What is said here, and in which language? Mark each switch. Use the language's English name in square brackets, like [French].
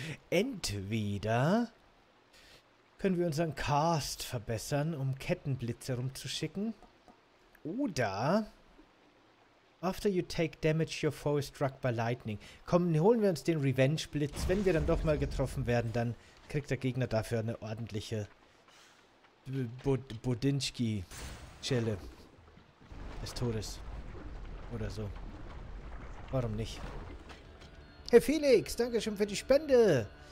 [German] Entweder können wir unseren Cast verbessern, um Kettenblitze rumzuschicken. Oder [English] after you take damage, your foe is struck by lightning. [German] Komm, holen wir uns den Revenge-Blitz. Wenn wir dann doch mal getroffen werden, dann kriegt der Gegner dafür eine ordentliche Budinski-Schelle des Todes. Oder so. Warum nicht? Hey Felix, danke schön für die Spende.